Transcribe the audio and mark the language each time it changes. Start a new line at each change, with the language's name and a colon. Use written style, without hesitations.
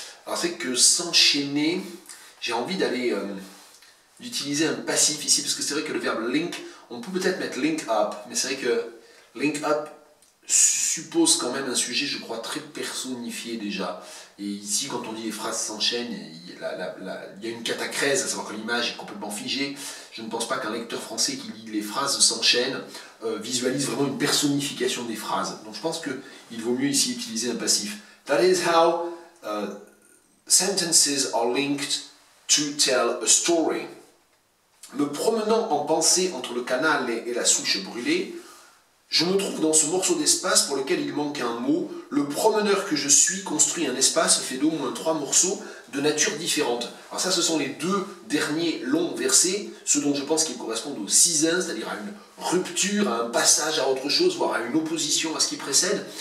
French: Alors, c'est que s'enchaîner, j'ai envie d'aller d'utiliser un passif ici, parce que c'est vrai que le verbe link, on peut peut-être mettre link up, mais c'est vrai que link up suppose quand même un sujet, je crois, très personnifié déjà. Et ici, quand on dit les phrases s'enchaînent, il y a une catachrèse, à savoir que l'image est complètement figée. Je ne pense pas qu'un lecteur français qui lit les phrases s'enchaînent visualise vraiment une personnification des phrases. Donc, je pense qu'il vaut mieux ici utiliser un passif.
English: That is how sentences are linked to tell a story.
French: Me promenant en pensée entre le canal et la souche brûlée, je me trouve dans ce morceau d'espace pour lequel il manque un mot. Le promeneur que je suis construit un espace fait d'au moins trois morceaux de nature différente. Alors ça, ce sont les deux derniers longs versets, ceux dont je pense qu'ils correspondent aux seasons, c'est-à-dire à une rupture, à un passage à autre chose, voire à une opposition à ce qui précède.